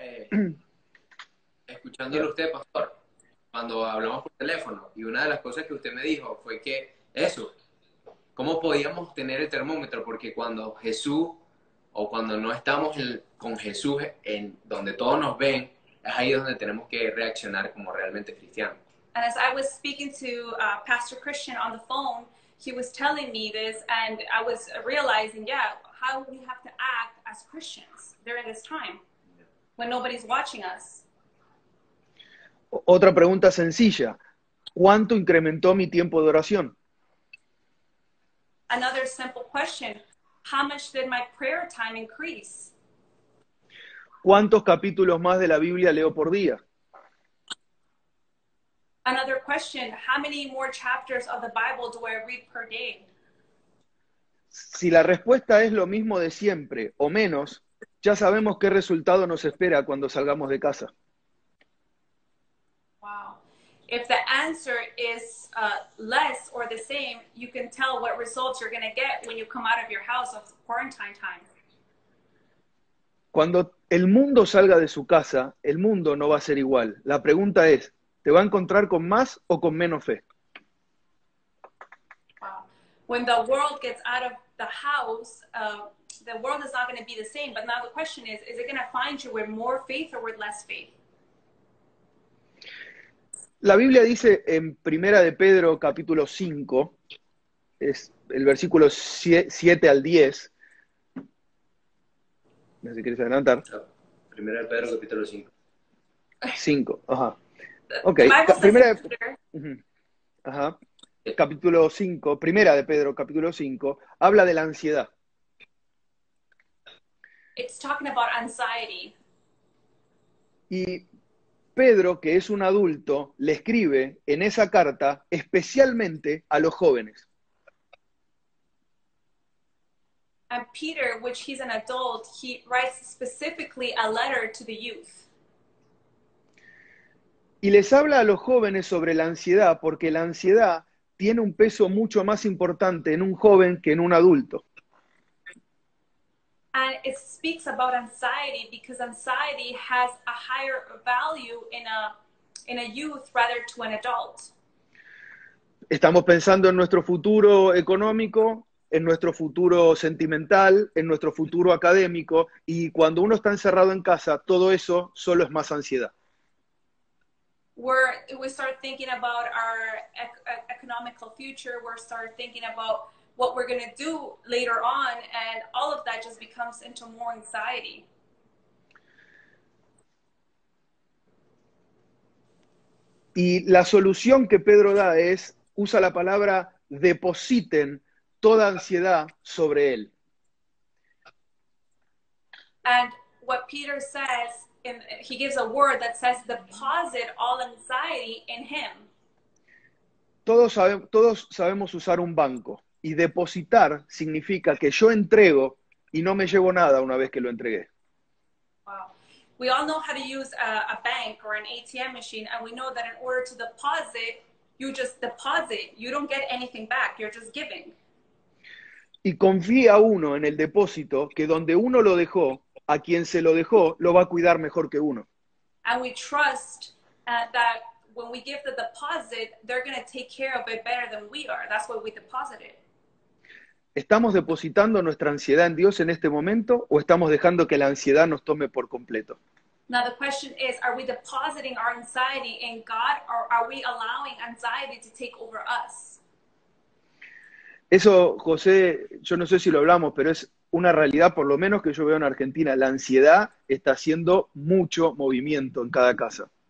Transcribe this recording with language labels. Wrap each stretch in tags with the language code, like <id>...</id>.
<es>Yo estaba escuchándole a usted, pastor, cuando hablamos por teléfono, y una de las cosas que usted me dijo fue que eso, ¿cómo podíamos tener el termómetro? Porque cuando Jesús, o cuando no estamos con Jesús, en donde todos nos ven, es ahí donde tenemos que reaccionar como realmente cristianos.</es> <en>And as I was speaking to Pastor Christian on the phone, he was telling me this, and I was realizing, yeah, how we have to act as Christians during this time. when nobody's watching us?</en> <es>Otra pregunta sencilla. ¿Cuánto incrementó mi tiempo de oración?</es> <en>Another simple question. How much did my prayer time increase?</en> <es>¿Cuántos capítulos más de la Biblia leo por día?</es> <en>Another question. How many more chapters of the Bible do I read per day?</en> <es>Si la respuesta es lo mismo de siempre o menos, ya sabemos qué resultado nos espera cuando salgamos de casa.</es> <en>Wow. If the answer is less or the same, you can tell what results you're going to get when you come out of your house of quarantine time.</en> <es>Cuando el mundo salga de su casa, el mundo no va a ser igual. La pregunta es, ¿te va a encontrar con más o con menos fe?</es> <en>When the world gets out of the house, the world is not going to be the same. But now the question is it going to find you with more faith or with less faith?</en> <es>La Biblia dice en Primera de Pedro capítulo 5, es el versículo 7 al 10. No sé si quieres adelantar. No. Primera de Pedro capítulo 5. 5, ajá. Ok. Primera de Pedro. Ajá. Capítulo 5, primera de Pedro, capítulo 5, habla de la ansiedad.</es> <en>It's talking about anxiety.</en> <es>Y Pedro, que es un adulto, le escribe en esa carta especialmente a los jóvenes.</es> <en>And Peter, which he's an adult, he writes specifically a letter to the youth.</en> <es>Y les habla a los jóvenes sobre la ansiedad, porque la ansiedad tiene un peso mucho más importante en un joven que en un adulto.</es> <en>And it speaks about anxiety because anxiety has a higher value in a youth rather to an adult.</en> <es>Estamos pensando en nuestro futuro económico, en nuestro futuro sentimental, en nuestro futuro académico, y cuando uno está encerrado en casa, todo eso solo es más ansiedad.</es> <en>We start thinking about our economical future. We start thinking about what we're going to do later on. And all of that just becomes into more anxiety.</en> <es>Y la solución que Pedro da es, usa la palabra, depositen toda ansiedad sobre él.</es> <en>And what Peter says, he gives a word that says deposit all anxiety in him.</en> <es>Todos sabemos usar un banco. Y depositar significa que yo entrego y no me llevo nada una vez que lo entregué.</es> <en>Wow. We all know how to use a bank or an ATM machine, and we know that in order to deposit, you just deposit. You don't get anything back. You're just giving.</en> <es>Y confía uno en el depósito que donde uno lo dejó, a quien se lo dejó, lo va a cuidar mejor que uno.</es> <en>And we trust that when we give the deposit, they're going to take care of it better than we are. That's why we deposit it.</en> <es>¿Estamos depositando nuestra ansiedad en Dios en este momento o estamos dejando que la ansiedad nos tome por completo?</es> <en>Now the question is, are we depositing our anxiety in God or are we allowing anxiety to take over us?</en> <es>Eso, José, yo no sé si lo hablamos, pero es una realidad, por lo menos que yo veo en Argentina, la ansiedad está haciendo mucho movimiento en cada casa.</es>